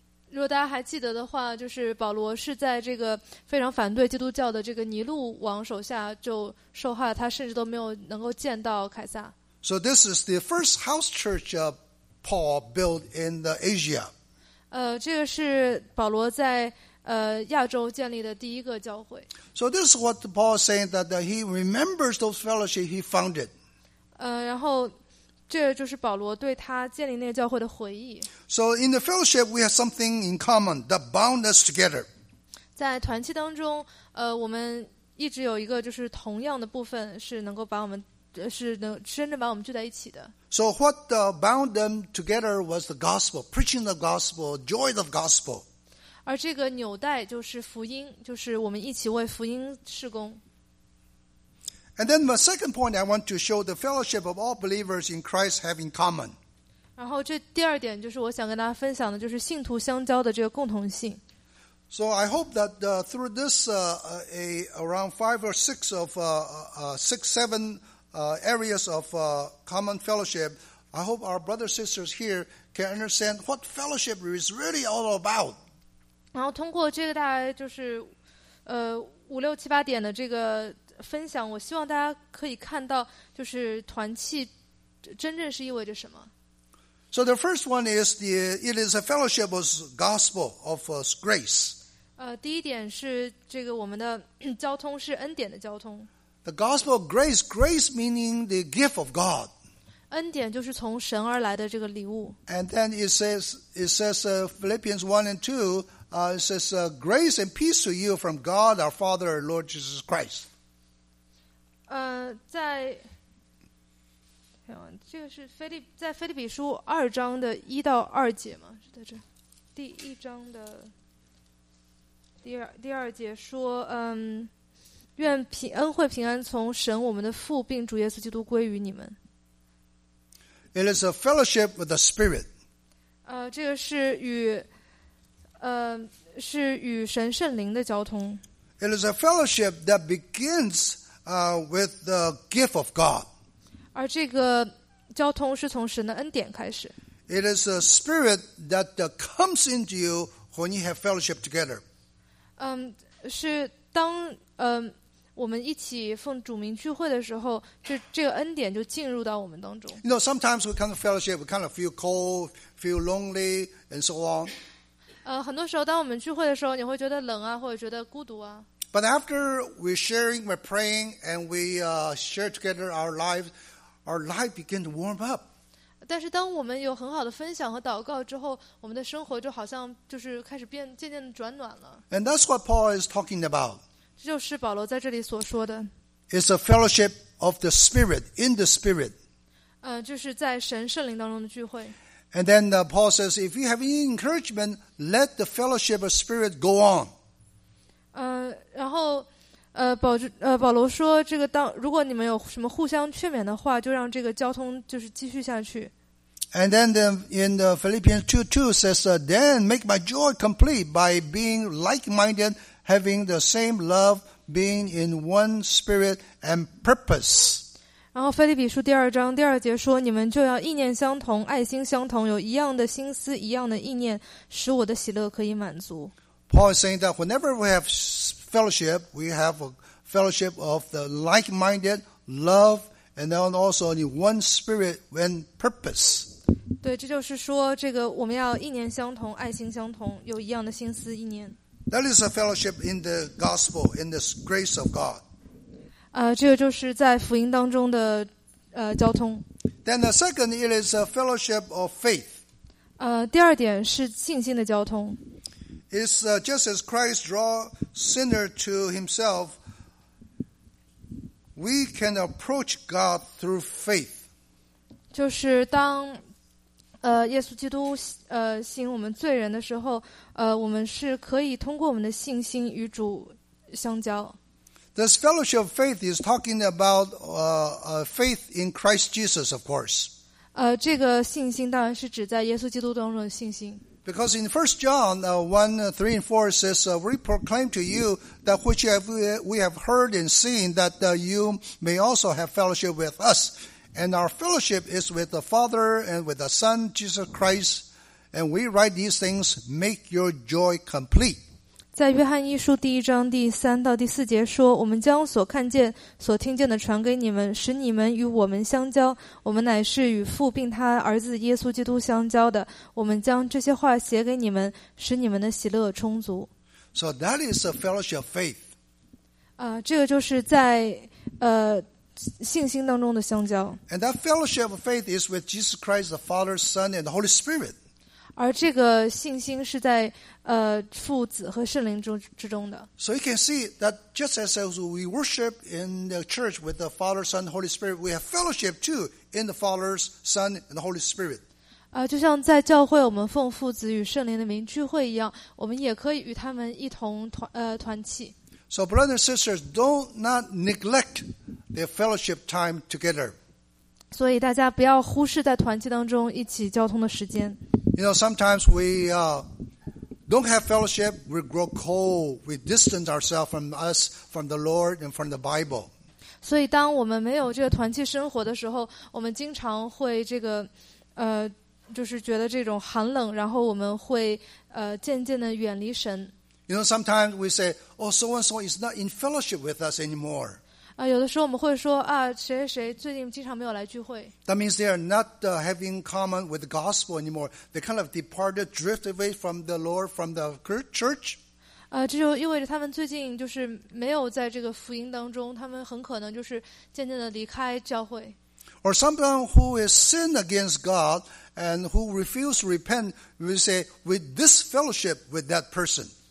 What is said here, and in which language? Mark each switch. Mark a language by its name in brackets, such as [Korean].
[Chinese] 如果大家还记得的话，就是保罗是在这个非常反对基督教的这个尼禄王手下就受害了，他甚至都没有能够见到凯撒。 [English] So this is the first house church Paul built in the Asia. [Chinese] 这个是保罗在亚洲建立的第一个教会。 [English] So this is what Paul is saying that he remembers those fellowship he founded. [Chinese] 然后。这就是保罗对他建立那个教会的回忆。 [English] So in the fellowship, we have something in common that bound us together. [Chinese] 在团契当中，我们一直有一个就是同样的部分是能够把我们是能真正把我们聚在一起的。 [English] So what bound them together was the gospel, preaching the gospel, joy of gospel. [Chinese] 而这个纽带就是福音，就是我们一起为福音事工。 [English] And then the second point I want to show the fellowship of all believers in Christ have in common. [Chinese] 然后这第二点就是我想跟大家分享的就是信徒相交的这个共同性。 [English] So I hope that through this around five or six of six, seven areas of common fellowship, I hope our brothers and sisters here can understand what fellowship is really all about. [Chinese] 然后通过这个大概就是五六七八点的这个分享，我希望大家可以看到，就是团契真正是意味着什么。 [English] So the first one is it is a fellowship of gospel of grace. [Chinese] 第一点是这个我们的交通是恩典的交通。 [English] The gospel of grace, grace meaning the gift of God. [Chinese] 恩典就是从神而来的这个礼物。 [English] And then it says Philippians 1 and 2, it says, grace and peace to you from God, our Father, Lord Jesus Christ. [Chinese] 在腓立比书二章的一到二节嘛，是在这，第一章的第二节说，愿平恩惠平安从神我们的父并主耶稣基督归于你们。 [English] It is a fellowship with the Spirit. [Chinese] 这个是与是与神圣灵的交通。 [English] It is a fellowship that begins with the gift of God. [Chinese] 而这个交通是从神的恩典开始。 [English] It is a spirit that comes into you when you have fellowship together. [Chinese] 是当我们一起奉主名聚会的时候，这个恩典就进入到我们当中。 [English] You know, sometimes we come to fellowship, we kind of feel cold, feel lonely, and so on. [Chinese] 很多时候当我们聚会的时候，你会觉得冷啊，或者觉得孤独啊。 [English] But after we're sharing, we're praying, and we share together our life begin to warm up. [Chinese] 但是当我们有很好的分享和祷告之后，我们的生活就好像就是开始变，渐渐的转暖了。 [English] And that's what Paul is talking about. [Chinese] 就是保罗在这里所说的。 [English] It's a fellowship of the Spirit, in the Spirit. [Chinese] 就是在神圣灵当中的聚会。 [English] And then Paul says, if you have any encouragement, let the fellowship of Spirit go on. [Chinese] 然后保罗说这个当如果你们有什么互相劝勉的话，就让这个交通就是继续下去。 [English] And then in the Philippians 2:2 says, then make my joy complete by being like-minded,having the same love, being in one spirit and purpose. [Chinese] 然后腓立比书第二章第二节说，你们就要意念相同，爱心相同，有一样的心思，一样的意念，使我的喜乐可以满足。 [English] Paul is saying that whenever we have fellowship, we have a fellowship of the like-minded love, and then also in one spirit and purpose. [Chinese] 对，这就是说这个我们要意念相同，爱心相同，有一样的心思意念。 [English] That is a fellowship in the gospel, in this grace of God. [Chinese] 这个就是在福音当中的交通。 [English] Then the second, it is a fellowship of faith. [Chinese] 第二点是信心的交通。 [English] It's just as Christ draws sinner to himself, we can approach God through faith. [Chinese] 就是当耶稣基督吸引我们罪人的时候，我们是可以通过我们的信心与主相交。 [English] This fellowship of faith is talking about faith in Christ Jesus, of course. [Chinese] 这个信心当然是指在耶稣基督当中的信心。 [English] Because in 1 John 1:3 and 4 says, we proclaim to you that which we have heard and seen, that you may also have fellowship with us. And our fellowship is with the Father and with the Son, Jesus Christ. And we write these things, make your joy complete. [Chinese] 在约翰一书第一章第三到第四节说，我们将所看见、所听见的传给你们，使你们与我们相交。我们乃是与父并他儿子耶稣基督相交的。我们将这些话写给你们，使你们的喜乐充足。 [English] So that is a fellowship of faith. [Chinese] 这个就是在信心当中的相交。 [English] And that fellowship of faith is with Jesus Christ, the Father, Son, and the Holy Spirit. [Chinese] 而这个信心是在父子和圣灵之中的。 [English] So you can see that just as we worship in the church with the Father, Son, and Holy Spirit, we have fellowship too in the Father, Son, and the Holy Spirit. [Chinese] 就像在教会我们奉父子与圣灵的名聚会一样，我们也可以与他们一同团契。 [English] So brothers and sisters, do not neglect their fellowship time together. [Chinese] 所以大家不要忽视在团契当中一起交通的时间。 [English] You know, sometimes we don't have fellowship, we grow cold, we distance ourselves from us, from the Lord, and from the Bible. [Chinese] 所以当我们没有这个团契生活的时候，我们经常会这个就是觉得这种寒冷，然后我们会渐渐的远离神。 [English] You know, sometimes we say, oh, so-and-so is not in fellowship with us anymore. [Chinese] 有的时候我们会说啊，谁谁最近经常没有来聚会。 [English] That means they are not having common with the gospel anymore. They kind of departed, drifted away from the Lord, from the church. [Chinese] 这就意味着他们最近就是没有在这个福音当中，他们很可能就是渐渐的离开教会。 [English] Or someone who has sinned against God and who refused to repent, we say, with this fellowship with that person.